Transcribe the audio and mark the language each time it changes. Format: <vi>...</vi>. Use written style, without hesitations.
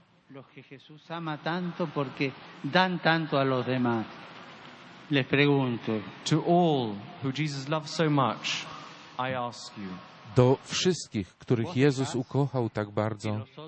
<es>Los que Jesús ama tanto porque dan tanto a los demás. Les pregunto.</es> <en>To all who Jesus loves so much, I ask you.</en> <pl>Do wszystkich, których Jezus ukochał tak bardzo.</pl>